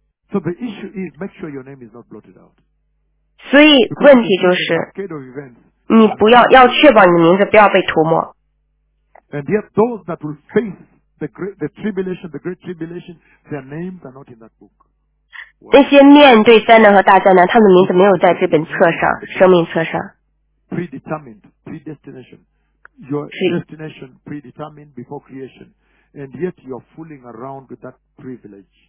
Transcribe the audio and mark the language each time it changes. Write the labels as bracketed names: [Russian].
[English] So the issue is make sure your name is not blotted out。 [Chinese] 所以问题就是， 你不要确保你的名字不要被涂抹。 [English] And yet those that will face the great tribulation, their names are not in that book。 [Chinese] 那些面对灾难和大灾难，他们的名字没有在这本册上，生命册上。 [English] Predetermined, predestination。 Your destination predetermined before creation, and yet you're fooling around with that privilege.